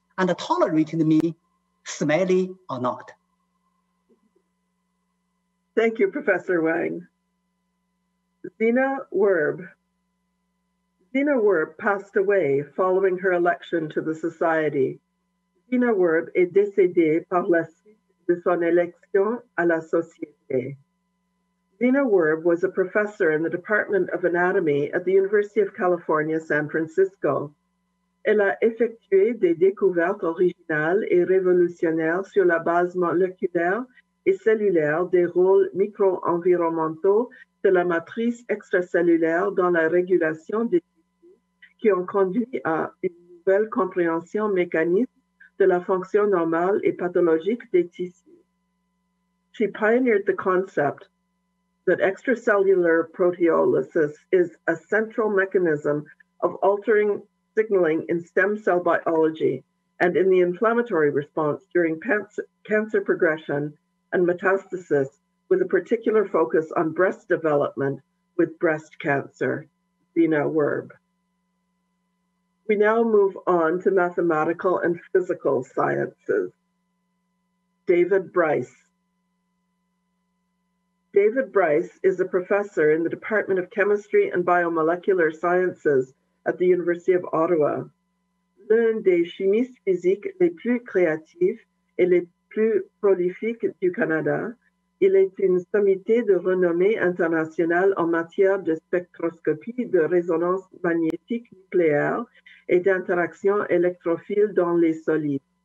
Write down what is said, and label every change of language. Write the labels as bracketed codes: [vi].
[en] and tolerating me, smelly or not. Thank you, Professor Wang. Zina Werb. Zina Werb passed away following her election to the Society. [fr] Zina Werb est décédée par la suite de son élection à la Société. [en] Zina Werb was a professor in the Department of Anatomy at the University of California, San Francisco. [fr] Elle a effectué des découvertes originales et révolutionnaires sur la base moléculaire et cellulaire des rôles micro-environnementaux de la matrice extracellulaire dans la régulation des tissus qui ont conduit à une nouvelle compréhension mécanique de la fonction normale et pathologique des tissus. [en] She pioneered the concept that extracellular proteolysis is a central mechanism of altering signaling in stem cell biology and in the inflammatory response during cancer progression and metastasis, with a particular focus on breast development with breast cancer, Zina Werb. We now move on to mathematical and physical sciences. David Bryce. David Bryce is a professor in the Department of Chemistry and Biomolecular Sciences at the University of Ottawa. [fr] L'un des chimistes physiques les plus créatifs et les plus prolifique du Canada, il est une sommité de renommée internationale en matière de spectroscopie de résonance magnétique nucléaire et d'interaction électrophile dans les solides.